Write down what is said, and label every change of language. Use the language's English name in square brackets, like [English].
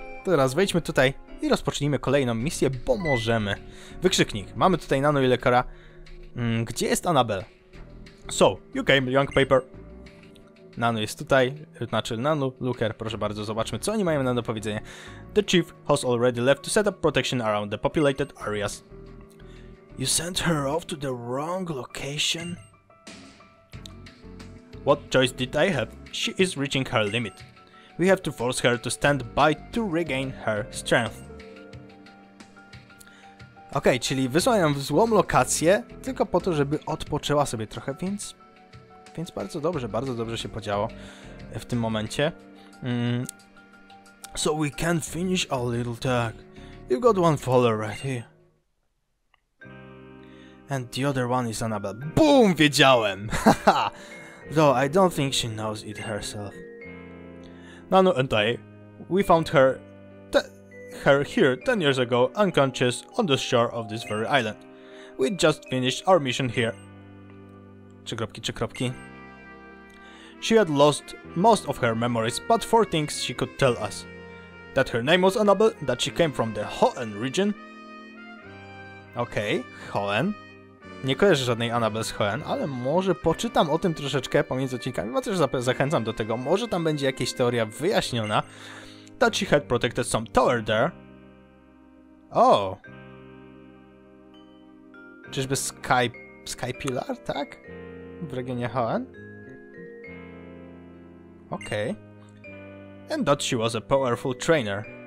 [Polish] Teraz wejdźmy tutaj i rozpocznijmy kolejną misję, bo możemy. Wykrzyknik. Mamy tutaj Nano i Lekara. Gdzie jest Annabelle? [English] So, you came, young paper. [Polish] Nano jest tutaj. Znaczy, Nano, Looker, proszę bardzo, zobaczmy, co oni mają na do powiedzenia. [English] The chief has already left to set up protection around the populated areas. You sent her off to the wrong location? What choice did I have? She is reaching her limit. We have to force her to stand by to regain her strength. [Polish] Okej, czyli wysłałem ją w złą lokację, tylko po to, żeby odpoczęła sobie trochę, więc bardzo dobrze się podziało w tym momencie. [English] So we can finish our little tag. You got one follower right here. And the other one is Annabelle. [Polish] BOOM! Wiedziałem! [English] Though I don't think she knows it herself. Nano and I, we found her here 10 years ago, unconscious, on the shore of this very island. We just finished our mission here. [Polish] Trzy kropki. [English] She had lost most of her memories, but 4 things she could tell us. That her name was Annabelle, that she came from the Hoenn region. [Polish] Okej, okay, Hoenn. Nie kojarzę żadnej Annabelle z Hoenn, ale może poczytam o tym troszeczkę pomiędzy odcinkami, bo też zachęcam do tego. Może tam będzie jakaś teoria wyjaśniona. [English] That she had protected some tower there. [Polish] O! Oh. Czyżby Sky Pillar, tak? W regionie Hoenn? Okej. [English] Okay. And that she was a powerful trainer.